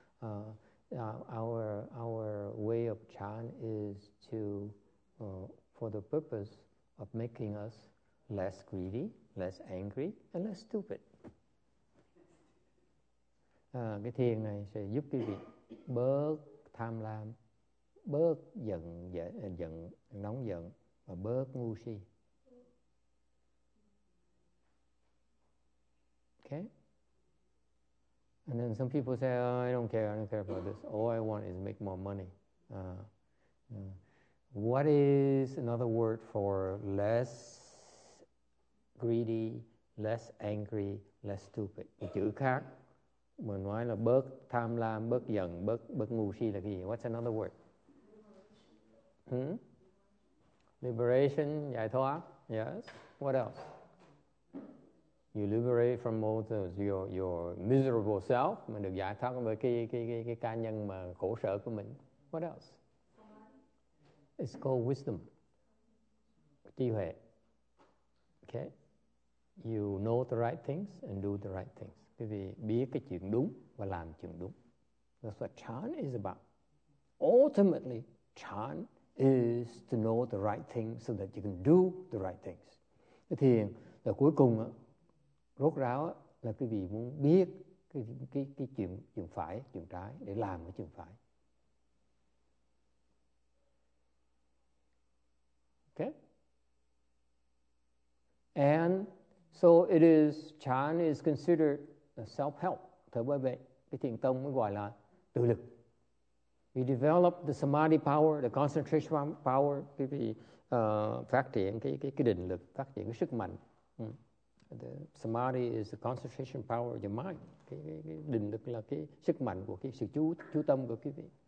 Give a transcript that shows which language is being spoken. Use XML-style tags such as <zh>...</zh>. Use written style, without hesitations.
<en>Our temple, our way of chan is to for the purpose of making us less greedy, less angry, and less stupid.</en> <vi>Cái thiền này sẽ giúp quý vị bớt tham lam, bớt giận nóng giận và bớt ngu si.</vi> <en>Okay? And then some people say, oh, I don't care about this. All I want is make more money. What is another word for less greedy, less angry, less stupid?</en> <vi>Chữ khác, mình nói là bớt tham lam, bớt giận, bớt ngu si là cái gì?</vi> <en>What's another word? Liberation,</en> <vi>giải thoát.</vi> <en>Yes. What else? You liberate from all those your miserable self.</en> <vi>Mình được giải thoát với cái cá nhân mà khổ sở của mình.</vi> <en>What else? It's called wisdom.</en> <vi>Trí huệ.</vi> <en>Okay. You know the right things and do the right things.</en> <vi>Quý vị biết cái chuyện đúng và làm chuyện đúng.</vi> <en>That's what chan is about. Ultimately, chan is to know the right things so that you can do the right things.</en> <vi>Thì là cuối cùng á, rốt ráo á, là quý vị muốn biết cái chuyện phải, chuyện trái để làm cái chuyện phải.</vi> <en>And so it is, chan is considered a self-help.</en> <vi>Thưa quý vị, cái thiền tông mới gọi là tự lực.</vi> <en>We develop the samadhi power, the concentration power,</en> <vi>quý vị phát triển cái định lực, phát triển cái sức mạnh.</vi> <en>The samadhi is the concentration power of your mind.</en> <vi>Cái định lực là cái sức mạnh của cái sự chú tâm của quý vị.</vi>